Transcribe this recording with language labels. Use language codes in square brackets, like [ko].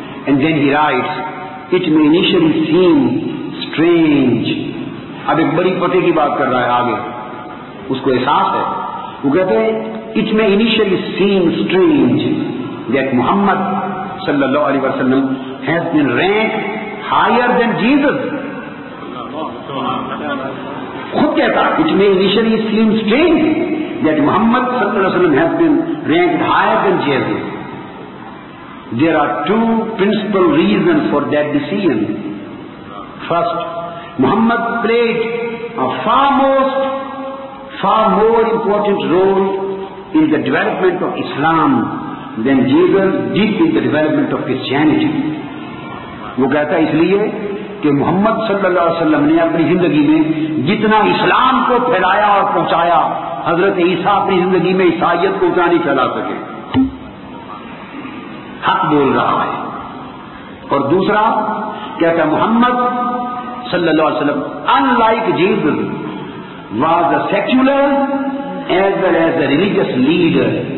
[en] And then he writes, it may initially seem strange. [ur] اب ایک بڑی پتے کی بات کر رہا ہے آگے، اس کو احساس ہے. وہ کہتے ہیں [en] it may initially seem strange that Muhammad صلی اللہ علیہ وسلم has been ranked higher than Jesus. [ur] خود کہتا [en] it may initially seem strange that Muhammad صلی اللہ علیہ وسلم has been ranked higher than Jesus. There are two principal reasons for that decision. First, Muhammad played a far more important role in the development of Islam than Jesus did in the development of Christianity. [ur] وہ کہتا ہے اس لیے کہ محمد صلی اللہ علیہ وسلم نے اپنی زندگی میں جتنا اسلام کو پھیلایا اور پہنچایا، حضرت عیسیٰ اپنی زندگی میں عیسائیت کو اتنا نہیں پھیلا سکے. حق بول رہا ہے. اور دوسرا کہتا ہے [en] Muhammad صلی اللہ علیہ وسلم unlike Jesus was a secular as well as a religious leader.